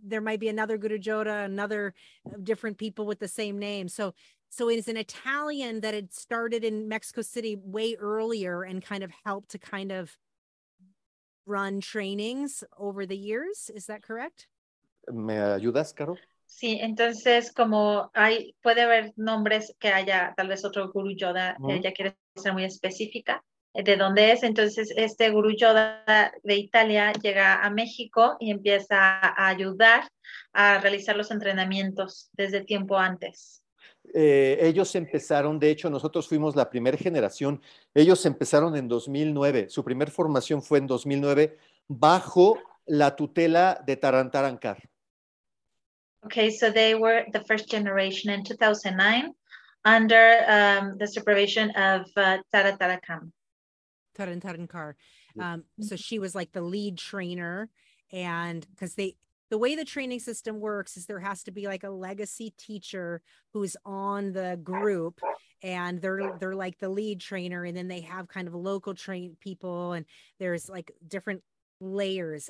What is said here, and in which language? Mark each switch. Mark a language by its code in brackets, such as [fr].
[en] There might be another Guru Jodha, another different people with the same name. So it is an Italian that had started in Mexico City way earlier and kind of helped to kind of run trainings over the years. Is that correct? [es] ¿Me ayudas, Caro? Sí, entonces como hay, puede haber nombres que haya tal vez otro Guru Jodha, ella quiere ser muy específica de dónde es, entonces este Guru Jodha de Italia llega a México y empieza a ayudar a realizar los entrenamientos desde tiempo antes. Ellos empezaron, de hecho nosotros fuimos la primera generación, ellos empezaron en 2009, su primer formación fue en 2009 bajo la tutela de Tarantarankar. [en] Okay, so they were the first generation in 2009 under the supervision of Tarantarankar. So she was like the lead trainer, and because the way the training system works is there has to be like a legacy teacher who's on the group, and they're like the lead trainer, and then they have kind of local trained people, and there's like different layers.